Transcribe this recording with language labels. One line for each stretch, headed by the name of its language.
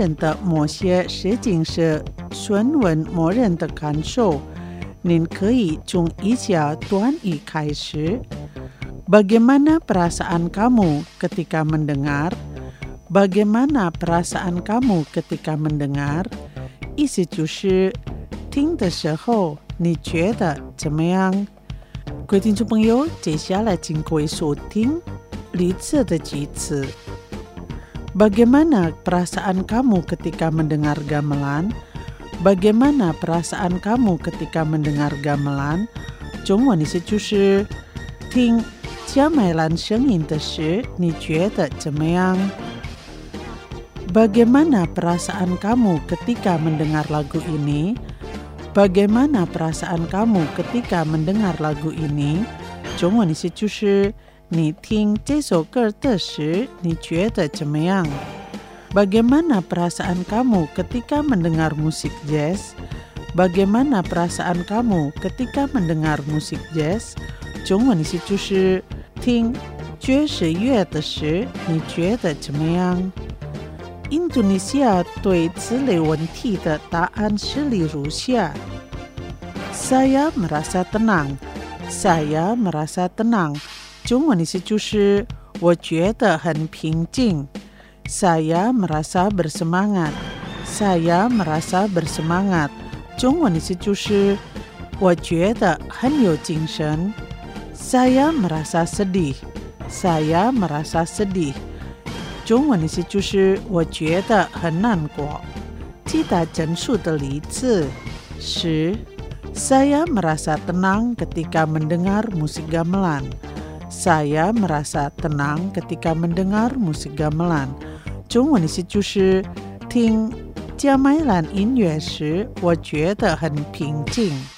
Chinese: 要在听到某人的某些实景时, 询问某人的感受, 您可以从以下短语开始。
Indonesian: Bagaimana perasaan kamu ketika mendengar? Bagaimana perasaan kamu ketika mendengar?
Chinese: 意思就是, 听的时候, 你觉得怎么样? 各位听众朋友, 接下来请各位收听, 李智的几次。
Indonesian: Bagaimana perasaan kamu ketika mendengar gamelan? Bagaimana perasaan kamu ketika mendengar gamelan?
Chinese: 中文意思就是, 听加美兰声音的时, 你觉得怎么样?
Indonesian: Bagaimana perasaan kamu ketika mendengar lagu ini? Bagaimana perasaan kamu ketika mendengar lagu ini?
Chinese: 中文意思就是, 你听这首歌的时, 你觉得怎么样?
Indonesian: Bagaimana perasaan kamu ketika mendengar musik jazz? Bagaimana perasaan kamu ketika mendengar musik jazz?
Chinese: 中文意思就是, 听爵士乐的时, 你觉得怎么样? Indonesia 对此类问题的答案是例如下。
Indonesian: Saya merasa tenang. Saya merasa tenang.
Chinese: 中文意思就是, 我觉得很平静。
Indonesian: Saya merasa bersemangat. Saya merasa bersemangat.
Chinese: 中文意思就是, 我觉得很有精神。
Indonesian: Saya merasa sedih. Saya merasa sedih.
Chinese: 中文意思就是, 我觉得很难过。记得整数的例子, 十,
Indonesian: Saya merasa tenang ketika mendengar musik gamelan. Saya merasa tenang ketika mendengar musik gamelan.
Chinese: 中文意思就是, 听加美兰音乐时, 我觉得很平静。